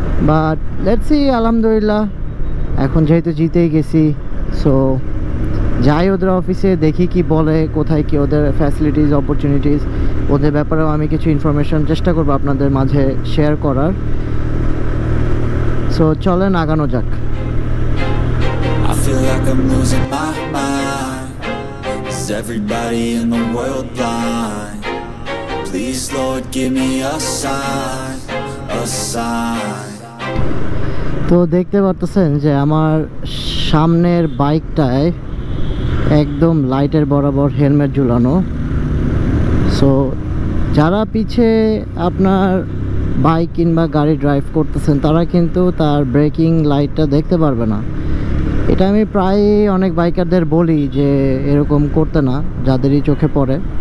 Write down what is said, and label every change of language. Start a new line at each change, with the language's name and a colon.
Bangla: But let's see আলহামদুলিল্লাহ এখন যেহেতু জিতেই গেছি সো যাই ওদের অফিসে দেখি কি বলে কোথায় কি ওদের ফ্যাসিলিটিস অপরচুনিটিস ওদের ব্যাপারেও আমি কিছু ইনফরমেশন চেষ্টা করবো আপনাদের মাঝে শেয়ার করার সো চলেন আগানো যাক
English: Feel like I'm losing my mind Is everybody in the world blind? Please Lord give me a sign A sign
Bangla: তো দেখতে পারতেছেন যে আমার সামনের বাইকটায় একদম লাইটের বরাবর হেলমেট ঝুলানো সো যারা পিছে আপনার বাইক কিংবা গাড়ি ড্রাইভ করতেছেন তারা কিন্তু তার ব্রেকিং লাইটটা দেখতে পারবে না এটা আমি প্রায় অনেক বাইকারদের বলি যে এরকম করতে না যাদেরই চোখে পড়ে